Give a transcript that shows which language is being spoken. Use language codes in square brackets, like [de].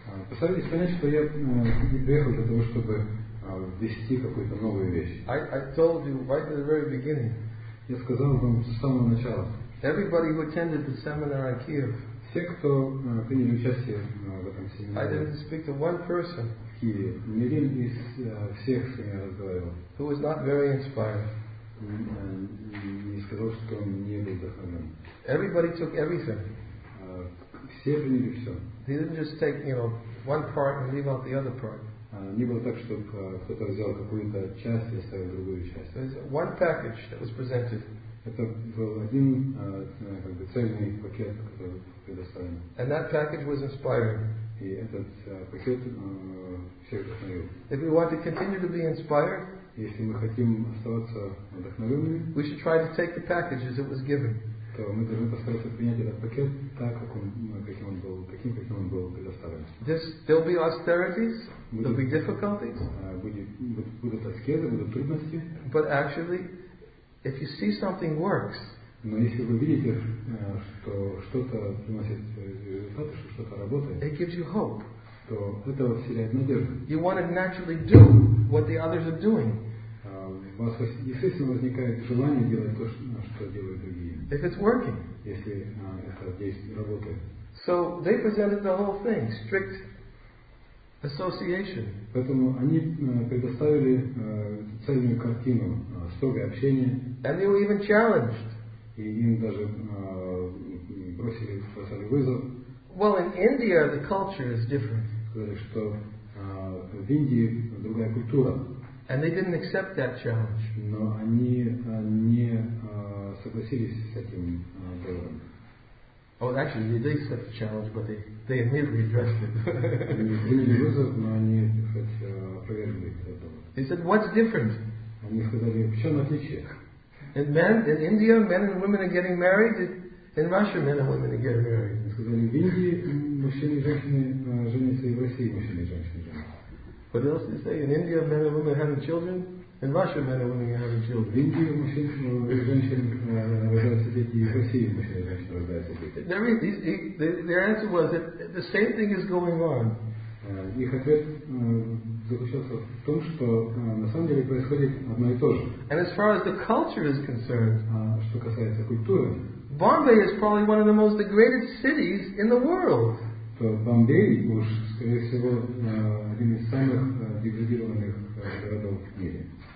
[ru] Постарайтесь понять, что я не приехал для того, чтобы ввести какую-то новую вещь. [en] I told you right at the very beginning. [ru] Я сказал вам с самого начала. [en] Everybody who attended the seminar in Kiev. [ru] Все, кто приняли участие в этом семинаре. [en] I didn't speak to one person. [ru] Ни один из всех, с кем я разговаривал. [en] Who was not very inspired. [ru] Не сказал, что он не был вдохновлен. [en] Everybody took everything. [ru] Все приняли все. [en] They didn't just take, you know, one part and leave out the other part. [ru] Не было так, чтобы кто-то взял какую-то часть и оставил другую часть. [en] There's one package that was presented. [ru] Это был один как бы цельный пакет, который предоставлен. [en] And that package was inspiring. [ru] И этот пакет всех вдохновил. [en] If we want to continue to be inspired, [ru] если мы хотим оставаться вдохновленными, [en] we should try to take the package as it was given. [ru] То мы должны постараться принять этот пакет так, как он, каким он был, каким, каким он был предоставлен. [en] This, there'll be austerities, there'll be difficulties. [ru] Будут аскезы, будут трудности. [en] But actually, if you see something works. [ru] Но если вы видите, что что-то приносит результаты, что что-то работает. [en] It gives you hope. [ru] То это вселяет надежду. [en] You want to naturally do what the others are doing. [ru] У вас, естественно, возникает желание делать то, что делают другие. [en] If it's working. [ru] Если это действие работает. [en] So they presented the whole thing, strict association. [ru] Поэтому они предоставили цельную картину, строгое общение. [en] And they were even challenged. [ru] И им даже бросили вызов. [en] Well, in India the culture is different. [ru] Сказали, что в Индии другая культура. [en] And they didn't accept that challenge. [ru] Но они не согласились с этим делом. [en] Oh, actually, they did accept the challenge, but they immediately addressed it. [ru] Они приняли вызов, но они хоть опровергли это. [en] They said, "What's different?" [ru] Они сказали, в чем отличие? [en] And men in India, men and women are getting married. In Russia, men and women are getting married. [ru] Они сказали, в Индии мужчины и женщины женятся, и в России мужчины и женщины женятся. [en] What else did they say? In India, men and women are having children. In Russia, men and women are having children. [ru] В Индии мужчины и женщины рождаются дети, и в России мужчины и женщины рождаются дети. [en] Their answer was that the same thing is going on. [ru] Их ответ заключался в том, что на самом деле происходит одно и то же. [en] And as far as the culture is concerned, [ru] что касается культуры, [en] Bombay is probably one of the most degraded cities in the world. [ru] То Бомбей уж, скорее всего, один из самых деградированных городов в мире.